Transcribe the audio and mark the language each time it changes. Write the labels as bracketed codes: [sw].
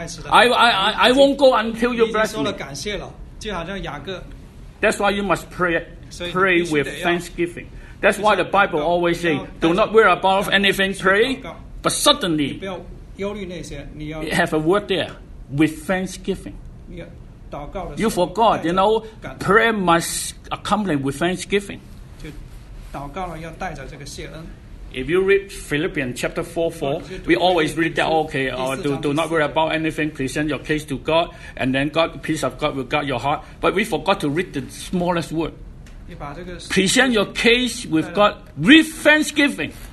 [en] I won't go until you bless me. [zh] 你已经说了感谢了，就好像雅各。 [en] That's why you must pray with thanksgiving. That's why the Bible always say, do not worry about anything, pray. But suddenly, you have a word there, with thanksgiving. You forgot, you know, prayer must accomplish with thanksgiving. [zh] 就祷告了要带着这个谢恩。 [en] If you read Philippians chapter 4:4, we always read that, okay, do not worry about anything, present your case to God, and then God, peace of God will guard your heart. But we forgot to read the smallest word. Present your case with God with thanksgiving.